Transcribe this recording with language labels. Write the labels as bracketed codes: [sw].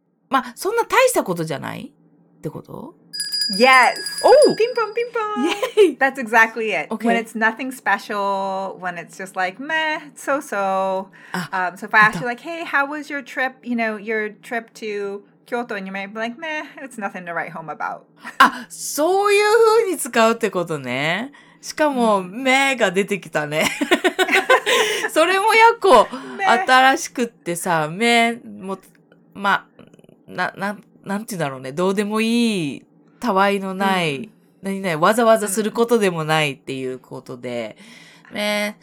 [ja] まあ、そんな大したことじゃないってこと? [en] Yes! Oh! Ping pong, ping pong! That's exactly it. Okay. When it's nothing special, when it's just like, meh, it's so-so. So if I ask you like, hey, how was your trip, you know, your trip to... Kyoto, and you might be like, meh, it's nothing to write home about. [ja] あ、そういう風に使うってことね。しかも、meh が出てきたね。それもやっこ、新しくってさ、meh も、ま、なんていうんだろうね、どうでもいい、たわいのない、何々、わざわざすることでもないっていうことで、meh、